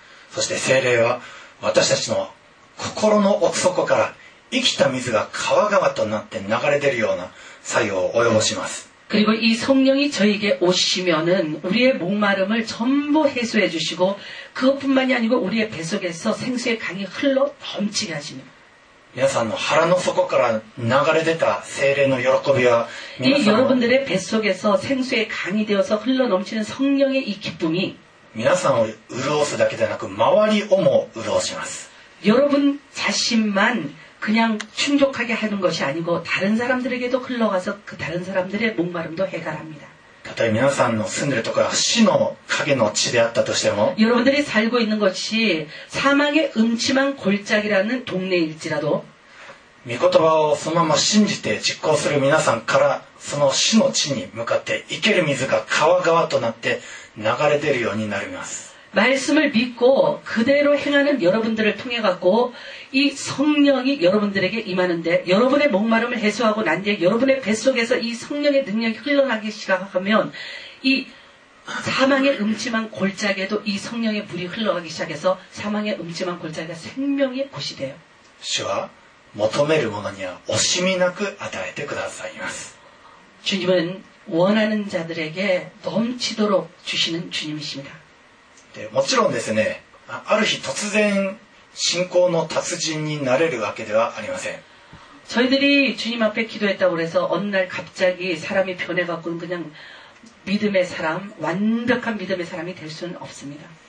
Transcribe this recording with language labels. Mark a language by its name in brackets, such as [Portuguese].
[Japanese] そして聖霊は私たちの心の奥底から生きた水が川川となって流れ出るような作用を及ぼします。 [Korean] 그리고이성령이저에게오시면은우리의목마름을전부해소해주시고그것뿐만이아니고우리의배속에서생수의강이흘러넘치게하십니다 [Japanese] 皆さんの腹の底から流れ出た聖霊の喜びは [Korean] 이여러분들의배속에서생수의강이되어서흘러넘치는성령의이기쁨이 [Japanese] 皆さんを潤すだけでなく周りをも潤します [Korean] 여러분자신만그냥충족하게하는것이아니고다른사람들에게도흘러가서그다른사람들의목마름도해결합니다 [Japanese] たとえ皆さんの住んでるところが死の影の地であったとしても [Korean] 여러분들이살고있는것이사망의음침한골짜기라는동네일지라도 [Japanese] 御言葉をそのまま信じて実行する皆さんからその死の地に向かって生ける水が川川となって流れ出るようになります [Korean] 말씀을믿고그대로행하는여러분들을통해갖고이성령이여러분들에게임하는데여러분의목마름을해소하고난뒤에여러분의뱃속에서이성령의능력이흘러나기시작하면이사망의음침한골짜기에도이성령의물이흘러가기시작해서사망의음침한골짜기가생명의곳이돼요 [Japanese] 주와求める者には惜しみなく与えてくださいます [Korean] 주님은원하는자들에게넘치도록주시는주님이십니다 [Japanese] でもちろんですね、ある日突然信仰の達人になれるわけではありません。 [Korean] 저희들이주님앞에기도했다고해서어느날갑자기사람이변해갖고는그냥믿음의사람완벽한믿음의사람이될수는없습니다